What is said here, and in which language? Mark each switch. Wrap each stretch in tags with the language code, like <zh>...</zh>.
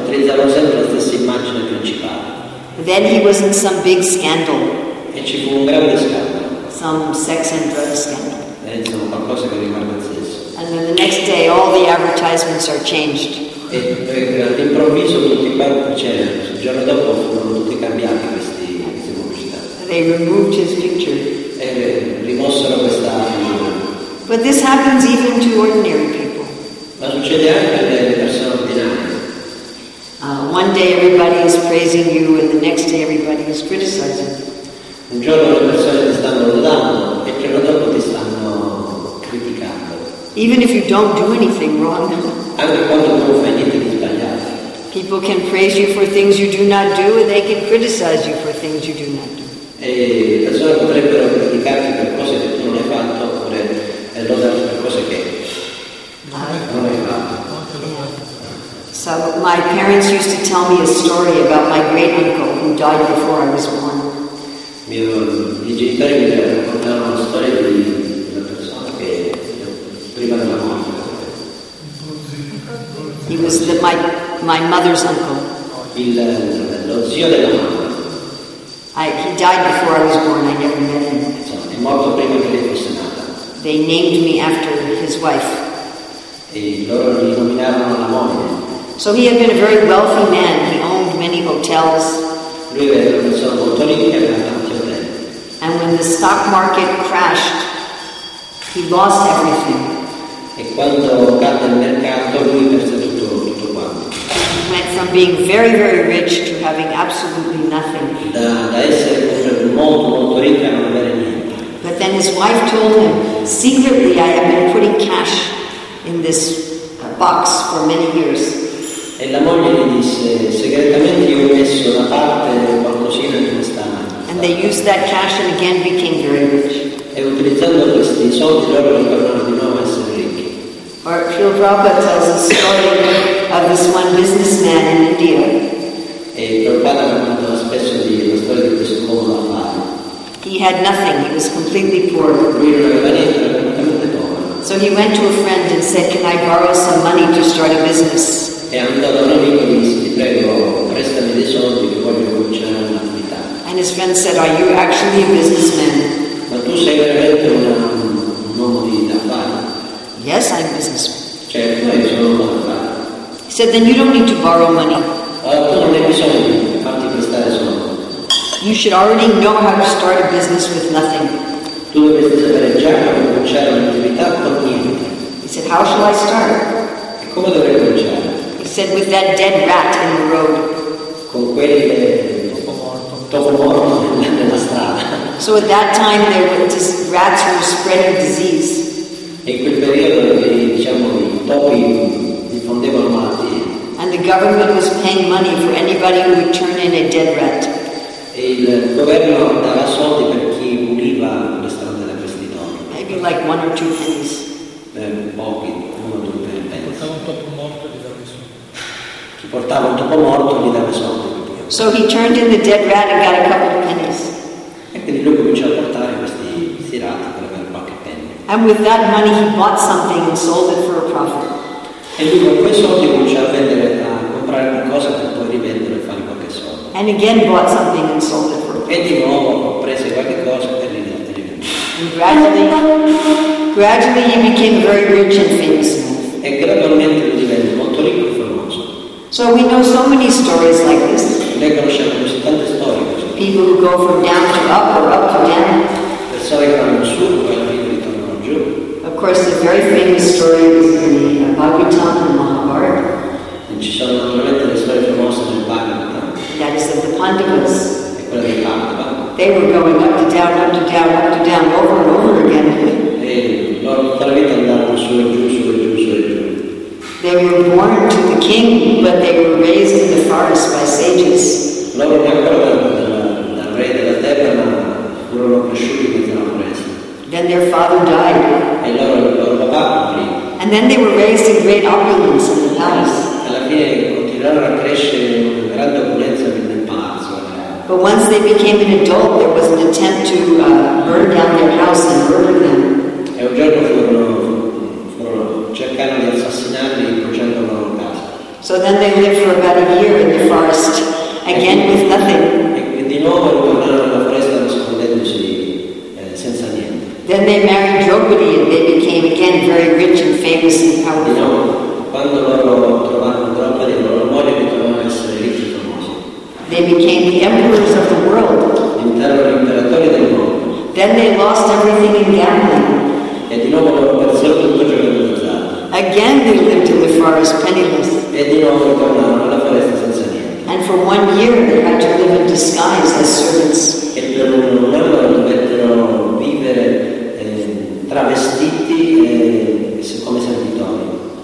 <it>Utilizzavano sempre la stessa immagine principale.</it> <en>Then he was in some big scandal.</en> <it>E ci fu un grande scandalo.</it> <en>Some sex and drug scandal.</en> <it>Qualcosa che riguarda il sesso.</it> <en>And then the next day all the advertisements are changed.</en> <it>E all'improvviso tutti quanti c'erano. Il giorno dopo furono tutti cambiati questi pubblicità.</it> <en>They removed his picture.</en> <it>E rimossero questa immagine.</it> <en>But this happens even to ordinary people.</en> <it>Ma succede anche alle persone ordinarie.</it> <en>One day everybody is praising you and the next day everybody is criticizing you.</en> <it>Un giorno le persone ti stanno lodando e il giorno dopo ti stanno criticando.</it> <en>Even if you don't do anything wrong.</en> <it>Anche quando non fai niente di sbagliato.</it> <en>People can praise you for things you do not do and they can criticize you for things you do not do.</en> <it>E le persone potrebbero criticarti per cose che tu non hai fatto oppure lodarti per cose che non hai fatto.</it> <en>So my parents used to tell me a story about my great uncle who died before I was born.</en> <it>I genitori mi raccontavano la storia di una persona che prima della morte.</it> <en>He was my mother's uncle.</en> <it>Lo zio della mamma.</it> <en>He died before I was born. I never met him.</en> <it>È morto prima che lei fosse nata.</it> <en>They named me after his wife.</en> <it>E loro li nominarono la moglie.</it> <en>So he had been a very wealthy man. He owned many hotels.</en> <it>Lui era una persona molto ricca.</it> <en>And when the stock market crashed, he lost everything.</en> <it>E quando cadde il mercato, lui perse tutto quanto.</it> <en>He went from being very, very rich to having absolutely nothing.</en> <it>Da essere molto, molto ricco a non avere niente.</it> <en>But then his wife told him, secretly I have been putting cash in this box for many years.</en> <it>E la moglie gli disse, segretamente io ho messo una parte qualcosina in questa.</it> <en>And they used that cash and again became very rich.</en> <it>E utilizzando questi soldi loro tornarono di nuovo a essere ricchi.</it> <en>Or Shri Prabhupada tells a story of this one businessman in India.</en> <it>E Prabhupada racconta spesso di la storia di questo uomo d'affari.</it> <en>He had nothing. He was completely poor.</en> <it>Lui non aveva niente, era completamente povero.</it> <en>So he went to a friend and said, "Can I borrow some money to start a business?"</en> <it>E andato un amico e disse, "Ti prego, prestami dei soldi che voglio cominciare."</it> <en>And his friend said, "Are you actually a businessman?"</en> <it>Ma tu sei veramente un uomo di affari?</it> <en>Yes, I'm a businessman.</en> <it>Certo, io sono un uomo di affari.</it> <en>He said, "Then you don't need to borrow money."</en> <it>Tu non hai bisogno di farti prestare soldi.</it> <en>You should already know how to start a business with nothing.</en> <it>Tu dovresti sapere già come cominciare un'attività con niente.</it> <en>He said, how shall I start?</en> <it>Come dovrei cominciare?</it> <en>He said, with that dead rat in the road.</en> <it>Con quel topo morto nella strada.</it> <en>So at that time there were just rats who were spreading disease.</en> <it>E in quel periodo diciamo i topi diffondevano malattie.</it> <en>And the government was paying money for anybody who would turn in a dead rat.</en> <it>E il governo dava soldi per chi puliva le strade da questi topi.</it> <en>Maybe like one or two pennies.</en> <it>Pochi, uno o due pennies. Chi portava un topo morto gli dava soldi. Chi portava un topo morto gli dava soldi.</it> <en>So he turned in the dead rat and got a couple of pennies.</en> <it>E quindi lui cominciò a portare questi ratti per avere qualche penny.</it> <en>And with that money he bought something and sold it for a profit.</en> <it>E lui con quei soldi cominciò a comprare qualcosa per poi rivendere e fare qualche soldo.</it> <en>And again bought something and sold it for a profit.</en> <it>E di nuovo prese qualche cosa per rivendere.</it> <en>Gradually he became very rich and famous.</en> <it>E gradualmente lui divenne molto ricco e famoso.</it> <en>So we know so many stories like this.</en> <it>Noi conosciamo così tante storie.</it> <en>People who go from down to up or up to down.</en> <it>Persone che vanno su e poi ritornano giù.</it> <en>Of course, the very famous story is in the Bhagavatam and Mahabharata.</en> <it>Ci sono naturalmente le storie famose del Bhagavatam.</it> <en>That is of the Pandavas.</en> <it>E quella dei Pandava.</it> <en>They were going up to down, up to down, up to down, over and over again.</en> <it>E loro tutta la vita andavano su e giù, su e giù, su e giù.</it> <en>They were born to the king, but they were raised in the forest by sages.</en> <it>Loro ancora dal re della terra, ma furono cresciuti dentro la foresta.</it> <en>Then their father died.</en> <it>E loro papà morì.</it> <en>And then they were raised in great opulence in the palace.</en> <it>Alla fine continuarono a crescere in una grande opulenza nel palazzo.</it> <en>But once they became an adult, there was an attempt to burn down their house and murder them.</en> <it>E un giorno furono cercando di assassinarli bruciando la loro casa.</it> <en>So then they lived for about a year in the forest. Again with nothing.</en> <it>E di nuovo tornarono alla foresta nascondendosi senza niente.</it> <en>Then they married Draupadi and they became again very rich and famous and powerful.</en> <it>Di nuovo, quando loro trovarono Draupadi, la loro moglie ritornò a essere ricchi e famosi.</it> <en>They became the emperors of the world.</en> <it>Diventarono gli imperatori del mondo.</it> <en>Then they lost everything in gambling.</en> <it>E di nuovo loro persero tutto giocando d'azzardo.</it> <en>Again they lived in the forest penniless.</en> <it>E di nuovo tornarono alla foresta senza niente.</it> <en>And for 1 year they had to live in disguise as servants.</en> <it>E per un anno dovettero vivere travestiti come servitori.</it>